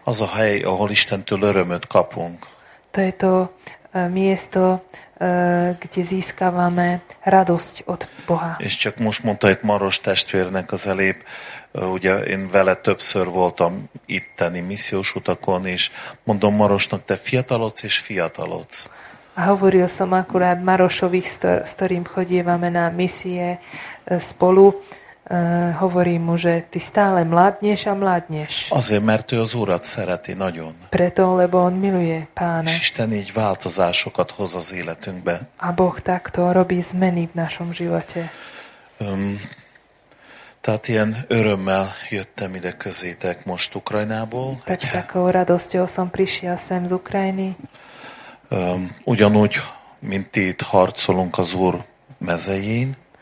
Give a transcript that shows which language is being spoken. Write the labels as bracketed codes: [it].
[hu] Az a hely, ahol Istentől örömöt kapunk. [sk] To je to miesto, kde získavame radosť od Boha. [hu] És csak most mondta itt Maros testvérnek az elép, ugye én vele többször voltam itteni missziós utakon, és mondom Marosnak, te fiatalodsz és fiatalodsz. [sk] A hovoril som akurát Marošovi, s ktorým chodívame na misie spolu, hovorím mu, že ty stále mládneš a mládneš. [hu] Azért, mert ő az Urat szereti nagyon. [sk] Preto, lebo on miluje Pána. [hu] És Isten így változásokat hoz az életünkbe. [sk] A Boh takto robí zmeny v našom živote. [hu] Tehát ilyen örömmel jöttem ide közétek most Ukrajnából. [sk] Tak, takou radosťou som prišiel sem z Ukrajiny. [hu] Ugyanúgy, mint itt harcolunk az Úr mezején.